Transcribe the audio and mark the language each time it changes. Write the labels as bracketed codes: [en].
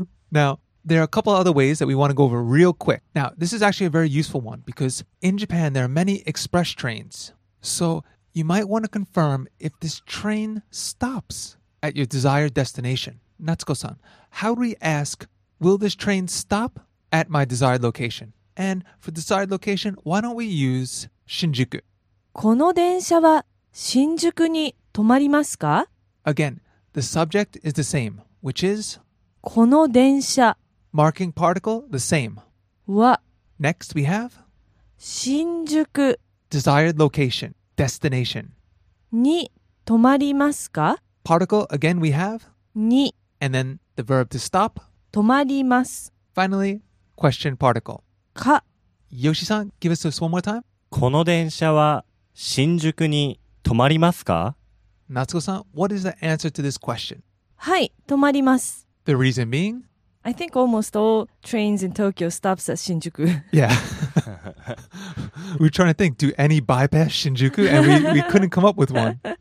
[en] Now, there are a couple other ways that we want to go over real quick. Now, this is actually a very useful one because in Japan, there are many express trains. So you might want to confirm if this train stops at your desired destination. Natsuko-san, how do we ask, will this train stop at my desired location? And for desired location, why don't we use Shinjuku? [ja] この電車は新宿に止まりますか? [en] Again, the subject is the same, which is [ja] この電車 [en] Marking particle, the same. [ja] は [en] Next we have [ja] 新宿 [en] Desired location, destination. [ja] に止まりますか? [en] Particle, again we have [ja] に [en] And then the verb to stop [ja] 止まります [en] Finally, question particle. [ja] か [en] Yoshi-san, give us this one more time. [ja] この電車は新宿に止まりますか? [en] Natsuko-san, what is the answer to this question? [ja] はい、止まります。 [en] The reason being? I think almost all trains in Tokyo stops at Shinjuku. Yeah. We're trying to think, do any bypass Shinjuku? And we couldn't come up with one.